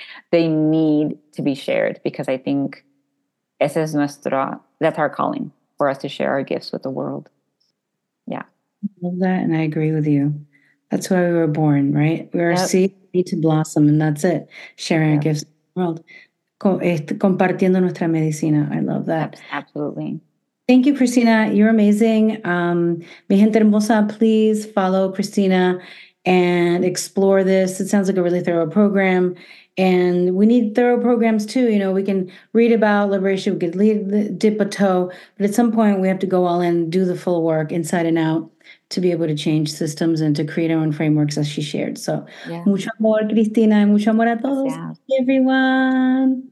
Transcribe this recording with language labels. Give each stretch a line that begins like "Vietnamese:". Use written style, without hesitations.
English: They need to be shared because I think
Spanish: ese es nuestro,
English: that's our calling for us to share our gifts with the world. Yeah. I love that. And I agree with you. That's why we were born, right? We are seed, need to blossom, and that's it. Sharing our gifts with the world.
Spanish: Compartiendo nuestra medicina.
English: I love that. Absolutely. Thank you, Christina. You're amazing.
Spanish: Mi gente hermosa,
English: please follow Christina and explore this. It sounds like a really thorough program. And we need thorough programs too. You know, we can read about liberation, we could dip a toe, but at some point we have to go all in, do the full work inside and out to be able to change systems and to create our own frameworks as she shared. So,
Spanish: mucho amor, Cristina, mucho amor a todos.
English: Yeah. Everyone.